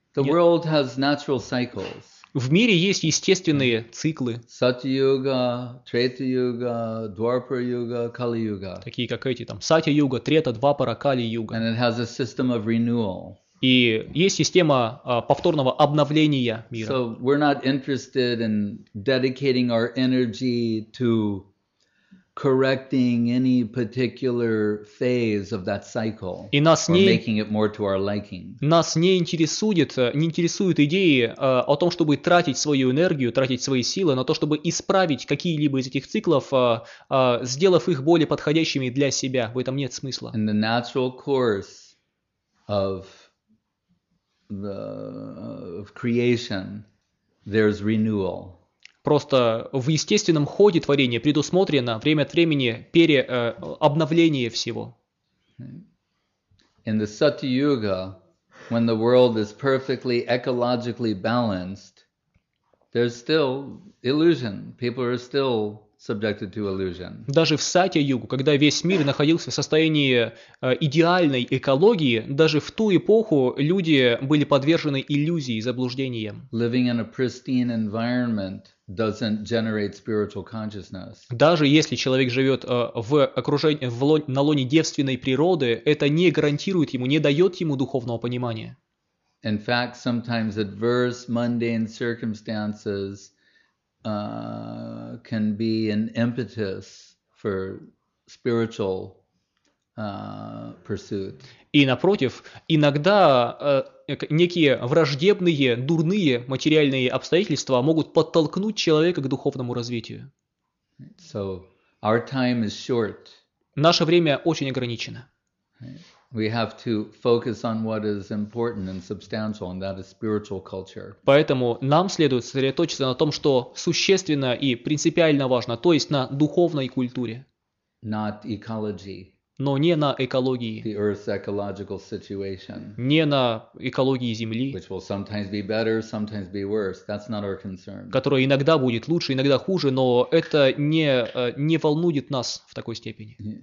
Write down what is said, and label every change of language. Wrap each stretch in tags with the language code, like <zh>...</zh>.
<en>The world has natural cycles.</en> <ru>В мире есть естественные циклы, Сатья-юга, Трета-юга, Двапара-юга, Кали-юга. такие как эти там Сатья-юга, Трета, Двапара, Кали-юга.</ru> <en>And it has a system of renewal.</en> <ru>И есть система повторного обновления мира.</ru> <en>So we're not interested in dedicating our energy to correcting any particular phase of that cycle</en> <ru>И</ru> <en>or making it more to our liking.</en> <ru>нас не интересуют идеи о том, чтобы тратить свою энергию, тратить свои силы на то, чтобы исправить какие-либо из этих циклов, сделав их более подходящими для себя. В этом нет смысла.</ru> <en>In the natural course of of creation, there's renewal.</en> <ru>Просто в естественном ходе творения предусмотрено время от времени обновление всего.</ru> <en>In the Satyuga, when the world is perfectly ecologically balanced, there's still illusion. People are still subjected to illusion.</en> <ru>Даже в Сатья-югу, когда весь мир находился в состоянии идеальной экологии, даже в ту эпоху люди были подвержены иллюзии, заблуждениям.</ru> <en>Living in a pristine environment doesn't generate spiritual consciousness.</en> <ru>Даже если человек живет на лоне девственной природы, это не гарантирует ему, не дает ему духовного понимания.</ru> <en>In fact, sometimes adverse mundane circumstances can be an impetus for spiritual pursuit.</en> <ru>И напротив, иногда некие враждебные, дурные материальные обстоятельства могут подтолкнуть человека к духовному развитию.</ru> <en>So our time is short.</en> <ru>Наше время очень ограничено.</ru> <en>We have to focus on what is important and substantial, and that is spiritual culture.</en> <ru>Поэтому нам следует сосредоточиться на том, что существенно и принципиально важно, то есть на духовной культуре,</ru> <en>Not ecology.</en> <ru>но не на экологии,</ru> <en>The Earth's ecological situation,</en> <ru>не на экологии Земли,</ru> <en>which will sometimes be better, sometimes be worse. That's not our concern.</en> <ru>которая иногда будет лучше, иногда хуже, но это не волнует нас в такой степени.</ru>